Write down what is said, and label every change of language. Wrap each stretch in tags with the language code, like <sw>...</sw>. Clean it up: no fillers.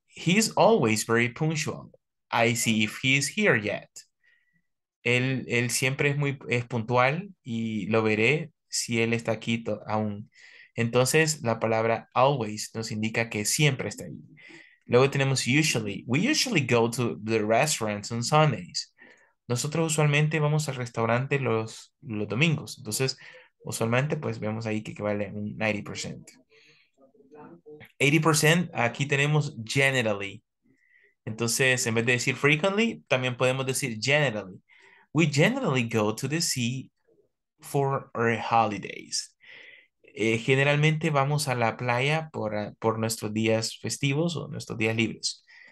<en>He's always very punctual. I see if he's here yet.</en> <es>Él siempre es puntual y lo veré si él está aquí aún. Entonces, la palabra always nos indica que siempre está ahí. Luego tenemos usually.</es> <en>We usually go to the restaurants on Sundays.</en> <es>Nosotros usualmente vamos al restaurante los domingos. Entonces, usualmente, pues, vemos ahí que equivale a un 90%. 80%, aquí tenemos generally. Entonces, en vez de decir frequently, también podemos decir generally.</es> <en>We generally go to the sea for our holidays.</en> <es>Generalmente vamos a la playa por nuestros días festivos o nuestros días libres.</es>